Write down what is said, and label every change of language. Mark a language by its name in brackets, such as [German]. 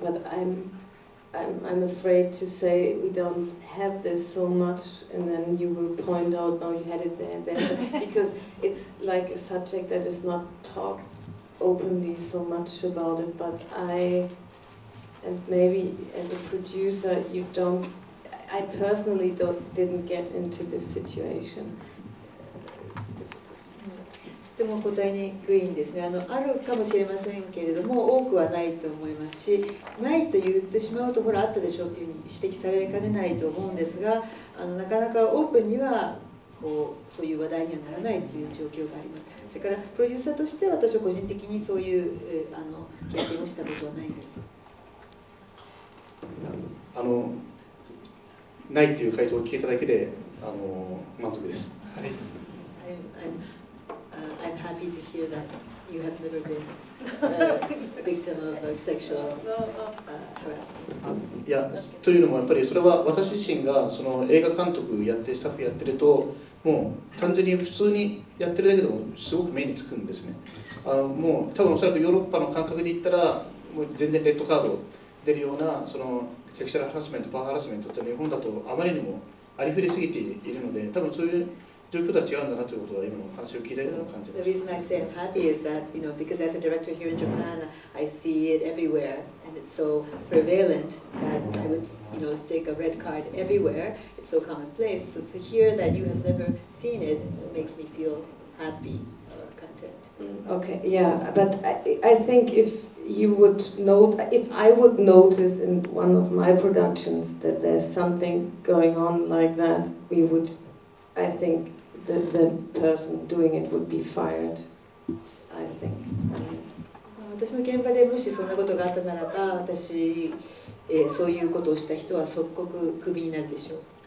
[English] But I'm afraid to say we don't have this so much, and then you will point out, no, you had it there and there, because it's like a subject that is not talked openly so much about it, but I... And maybe as a producer, you don't, I personally didn't get into this situation. [Japanese] とても答えにくいんですね。あるかもしれませんけれども、多くはないと思いますし、ないと言ってしまうと、ほら、あったでしょうというふうに指摘されかねないと思うんですが、なかなかオープンには、そういう話題にはならないという状況があります。それから、プロデューサーとして私は個人的にそういう経験をしたことはないんです。ないという回答を聞いただけで満足です。 [English] I'm happy to hear that you have never been a victim of a sexual harassment. [Japanese] いや、というのもやっぱりそれは私自身がその映画監督やってスタッフやってるともう単純に普通にやってるだけでもすごく目につくんですね。もう多分おそらくヨーロッパの感覚で言ったらもう全然レッドカード出るようなそのセクシャルハラスメント、パワーハラスメントって日本だとあまりにもありふれすぎているので、多分そういう状況とは違うんだなということは今の話を聞いているような感じです。 [English] The reason I say I'm happy is that, you know, because as a director here in Japan, I see it everywhere and it's so prevalent that I would, you know, stick a red card everywhere. It's so commonplace. So to hear that you have never seen it makes me feel happy. Okay, yeah, but I think if you would note, if I would notice in one of my productions that there's something going on like that, we would, I think, the person doing it would be fired, I think. [Japanese] 私の現場でもしそんなことがあったならば、私、そういうことをした人は即刻クビになるでしょう。